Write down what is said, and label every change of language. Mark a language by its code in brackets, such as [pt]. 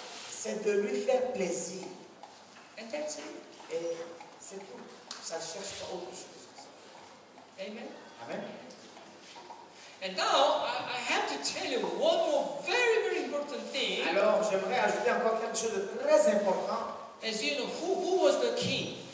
[fr] C'est de lui faire plaisir. [en] And that's it. [fr] Et c'est tout. Ça ne cherche pas autre chose. Amen. Amen. [en] And now I have to tell you one more very very important thing. [fr] Alors, j'aimerais ajouter encore quelque chose de très important. [en] As you know, who was the king?